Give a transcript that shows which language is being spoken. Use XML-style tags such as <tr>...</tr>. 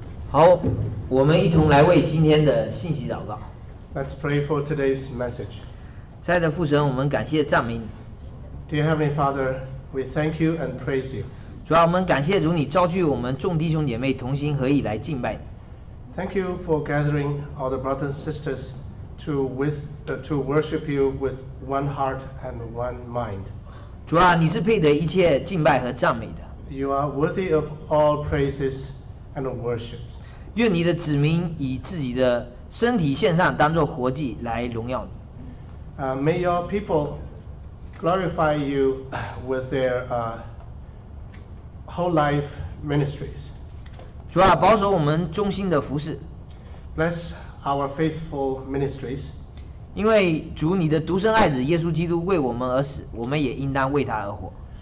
<zh>好，我们一同来为今天的信息祷告。</zh> <en>Let's pray for today's message.</en> <zh>亲爱的父神，我们感谢赞美你。</zh> <en>Dear Heavenly Father, we thank you and praise you.</en> <zh>主啊，我们感谢主你召聚我们众弟兄姐妹同心合意来敬拜。</zh> <en>Thank you for gathering all the brothers and sisters to worship you with one heart and one mind.</en> <zh>主啊，你是配得一切敬拜和赞美的。</zh> <en>You are worthy of all praises. And</en> <zh>愿你的子民以自己的身体献上，当作活祭来荣耀你。</zh> <en>May your people glorify you with their whole life ministries.</en> <zh>主啊，保守我们忠心的服事。</zh> <en>Bless our faithful ministries.</en> <zh>因为主你的独生爱子耶稣基督为我们而死，我们也应当为他而活。</zh>